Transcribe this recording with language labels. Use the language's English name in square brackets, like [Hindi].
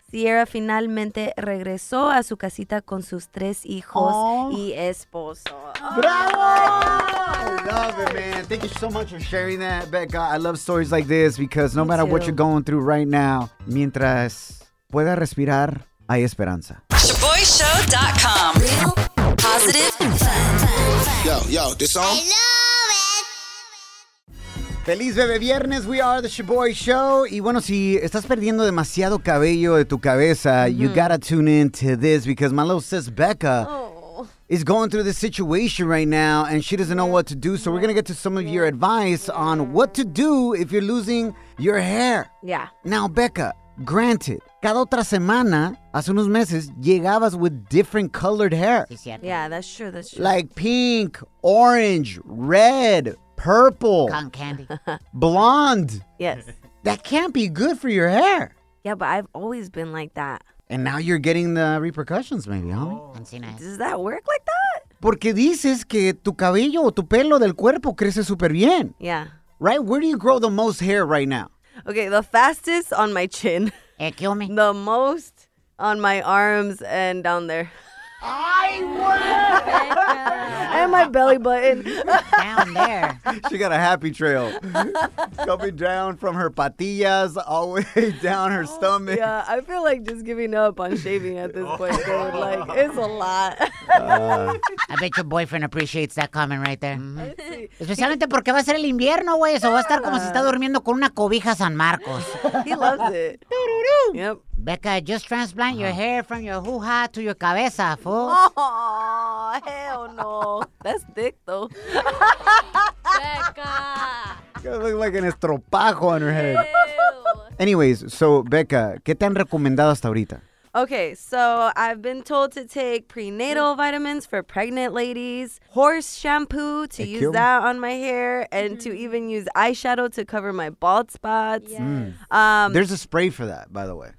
[Spanish] Sierra finalmente regresó a su casita con sus tres hijos y esposo. [English] ¡Bravo! Oh, love it, man. Thank you so much for sharing that, Becca. I love stories like this because no matter what you're going through right now, [Spanish] mientras pueda respirar, hay esperanza. [English] ShaboyShow.com. Positive. Yo, this song? I love it. [Spanish] Feliz Bebe Viernes. [English] We are the Shaboy Show. [Spanish] Y bueno, si estás perdiendo demasiado cabello de tu cabeza, [English] you gotta tune in to this because my little sis Becca is going through this situation right now and she doesn't know what to do. So we're going to get to some of your advice on what to do if you're losing your hair. Yeah. Now, Becca, granted, [Spanish] cada otra semana, hace unos meses, llegabas [English] with different colored hair. Yeah, that's true, that's true. Like pink, orange, red, purple. [Spanish] Con candy. [English] Blonde. Yes. That can't be good for your hair. Yeah, but I've always been like that. And now you're getting the repercussions, maybe, homie. Does that work like that? [Spanish] Porque dices que tu cabello o tu pelo del cuerpo crece súper bien. [English] Yeah. Right? Where do you grow the most hair right now? Okay, the fastest on my chin. Kill me. The most on my arms and down there. I would. And my belly button. Down there. She got a happy trail. Coming down from her patillas all the way down her stomach. Yeah, I feel like just giving up on shaving at this point, dude. Like, it's a lot. I bet your boyfriend appreciates that comment right there. Mm-hmm. [Spanish] Especialmente porque va a ser el invierno, güey. Eso va a estar como si está durmiendo con una cobija San Marcos. [English] He loves it. Do-do-do. Yep. Becca, just transplant your hair from your hoo-ha to your cabeza, fool. Oh, hell no. That's thick, though. Becca. You look like an estropajo on her head. Ew. Anyways, so, [Spanish] Becca, ¿qué te han recomendado hasta ahorita? [English] Okay, so I've been told to take prenatal vitamins for pregnant ladies, horse shampoo to use that on my hair, and to even use eyeshadow to cover my bald spots. Yes. Mm. There's a spray for that, by the way.